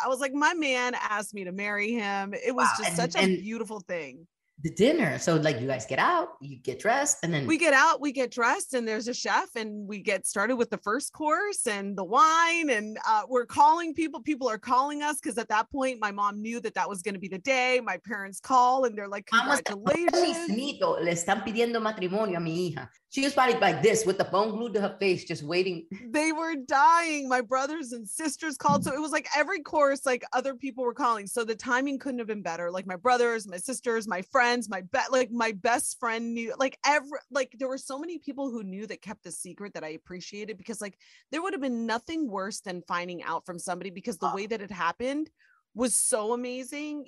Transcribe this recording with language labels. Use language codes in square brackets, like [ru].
[en] I was like, my man asked me to marry him. It was such a beautiful thing. The dinner. So like, you guys get out, you get dressed, and then we get dressed and there's a chef and we get started with the first course and the wine, and we're calling people. People are calling us because at that point my mom knew that was going to be the day. My parents call and they're like, congratulations. [es] Mamacito, le están pidiendo matrimonio a mi hija. [en] She was probably like this with the phone glued to her face, just waiting. They were dying. My brothers and sisters called. So it was like every course, like other people were calling. So the timing couldn't have been better. Like my brothers, my sisters, my friends, my best friend knew, there were so many people who knew that kept the secret that I appreciated, because like there would have been nothing worse than finding out from somebody, because the way that it happened was so amazing.